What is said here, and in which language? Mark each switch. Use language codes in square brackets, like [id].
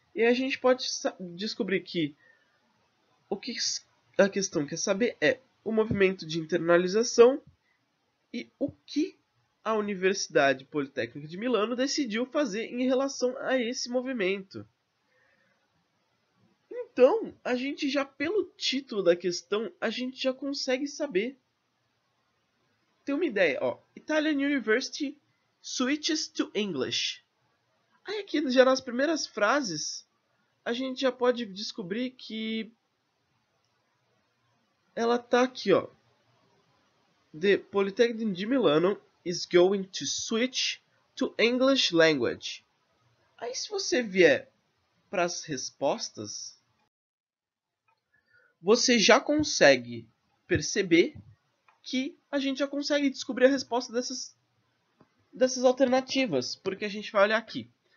[pt] E a gente pode descobrir que o que a questão quer saber é o movimento de internalização e o que a Universidade Politécnica de Milano decidiu fazer em relação a esse movimento. Então, a gente já pelo título da questão, a gente já consegue saber. Tem uma ideia, ó. [en] Italian University switches to English. [pt] Aí aqui já nas primeiras frases, a gente já pode descobrir que ela tá aqui, ó. [en] The Polytechnic de Milano is going to switch to English language. [pt] Aí, se você vier para as respostas, você já consegue perceber que a gente já consegue descobrir a resposta dessas alternativas, porque a gente vai olhar aqui.